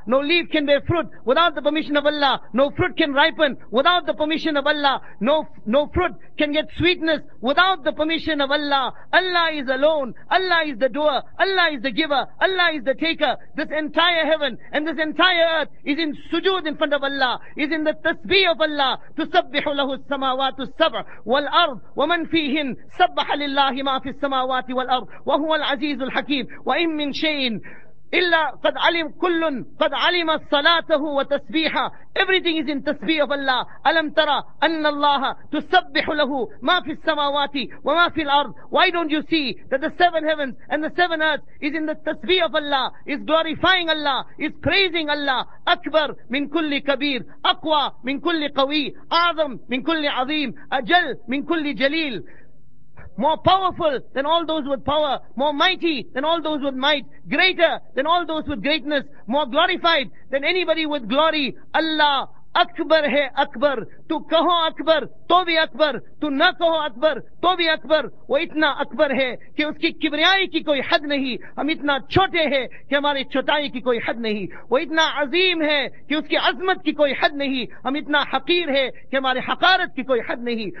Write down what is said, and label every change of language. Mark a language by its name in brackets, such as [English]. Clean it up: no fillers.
[English] No leaf can bear fruit without the permission of Allah. No fruit can ripen without the permission of Allah. No fruit can get sweetness without the permission of Allah. Allah is alone. Allah is the doer. Allah is the giver. Allah is the taker. This entire heaven and this entire earth is in sujood in front of Allah. Is in the tasbih of Allah. [Arabic] Tusabbihu lahu samawatu sab' wal ard وَمَنْ فِيهِنْ سَبَّحَ لِلَّهِ مَا فِي السَّمَاوَاتِ وَالْأَرْضِ وَهُوَ الْعَزِيزُ الْحَكِيمُ وَإِنْ مِنْ شَيْءٍ إِلَّا قَدْ عَلِمْ كُلٌّ قَدْ عَلِمَ صَلَاتَهُ وَتَسْبِيحَ [English] Everything is in tasbih of Allah. [Arabic] أَلَمْ تَرَى أَنَّ اللَّهَ تُسَبِّحُ لَهُ مَا فِي السَّمَاوَاتِ وَمَا فِي الْأَرْضِ [English] Why don't you see that the seven heavens and the seven earths is in the tasbih of Allah, is glorifying Allah, is praising Allah. [Arabic] أَكْبَرْ مِنْ كُلِّ كَبِيرْ أَقْوَى مِنْ كُلِّ قَوِي أَعْظَمْ مِنْ كُلِّ عَظِيمْ أَجَلْ مِنْ كُلِّ جَلِيلْ [English] More powerful than all those with power. More mighty than all those with might. Greater than all those with greatness. More glorified than anybody with glory. Allah [Urdu] اکبر ہے اکبر، تو کہو اکبر تو بھی اکبر، تو نہ کہو اکبر تو بھی اکبر، وہ اتنا اکبر ہے کہ اس کی کبریائی کی کوئی حد نہیں، ہم اتنا چھوٹے ہیں کہ ہماری چھوٹائی کی کوئی حد نہیں، وہ اتنا عظیم ہے کہ اس کی عظمت کی کوئی حد نہیں، ہم اتنا حقیر ہے کہ ہماری حقارت کی کوئی حد نہیں،